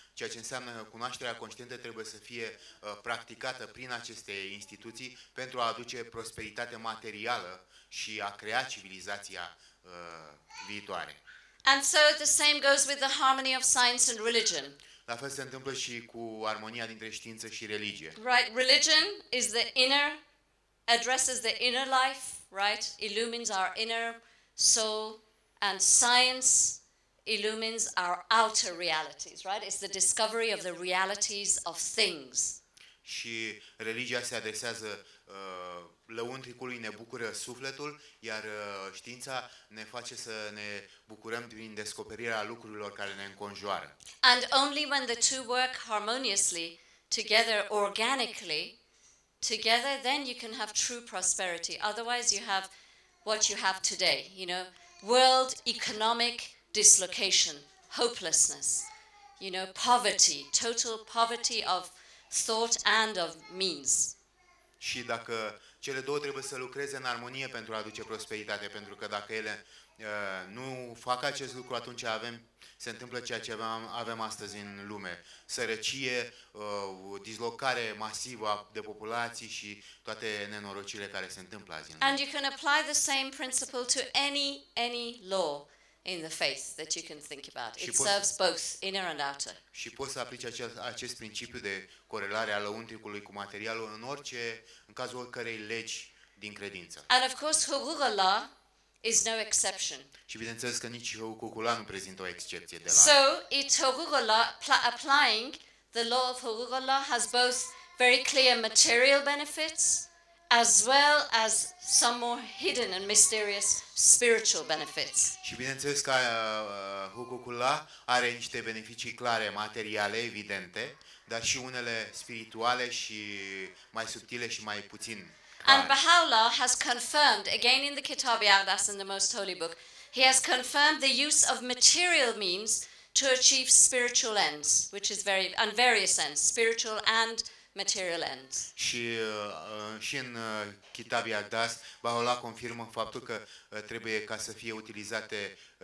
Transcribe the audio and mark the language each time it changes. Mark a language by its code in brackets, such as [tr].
[ro] Ceea ce înseamnă că cunoașterea conștientă trebuie să fie practicată prin aceste instituții pentru a aduce prosperitate materială și a crea civilizația viitoare. [en] And so the same goes with the harmony of science and religion. [ro] La fel se întâmplă și cu armonia dintre știință și religie. [en] Right, religion is the inner, addresses the inner life, right? Illumines our inner soul, and science illumines our outer realities, right? It's the discovery of the realities of things. [ro] și religia se adresează lăuntricului, ne bucură sufletul, iar știința ne face să ne bucurăm prin descoperirea lucrurilor care ne înconjoară. [en] And only when the two work harmoniously, together organically, together, then you can have true prosperity. Otherwise, you have what you have today, you know, world economic dislocation, hopelessness, you know, poverty, total poverty of thought and of means. [ro] Și dacă cele două trebuie să lucreze în armonie pentru a aduce prosperitate, pentru că dacă ele nu fac acest lucru, atunci avem, se întâmplă ceea ce avem astăzi în lume. Sărăcie, dislocare masivă de populații și toate nenorocirile care se întâmplă azi. [en] And you can apply the same principle to any law in the faith that you can think about. It serves both inner and outer. [ro] Și poți să aplici acest principiu de corelare a lăuntricului cu materialul în orice, în cazul oricărei legi din credință. [en] And of course, hukuk Allah is no exception. [ro] Și bineînțeles că nici hukuk Allah nu prezintă o excepție de la. [en] So, it hukuk Allah applying the law of hukuk Allah has both very clear material benefits as well as some more hidden and mysterious spiritual benefits. [ro] Și bineînțeles că hukuk Allah are niște beneficii clare, materiale, evidente, dar și unele spirituale și mai subtile și mai puțin clare. [en] And Baha'u'llah has confirmed, again in the Kitab-i Aqdas, in the Most Holy Book, he has confirmed the use of material means to achieve spiritual ends, which is very, and various ends, spiritual and material ends. [ro] Și în Kitab-i Aqdas, Baha'u'llah confirmă faptul că trebuie ca să fie utilizate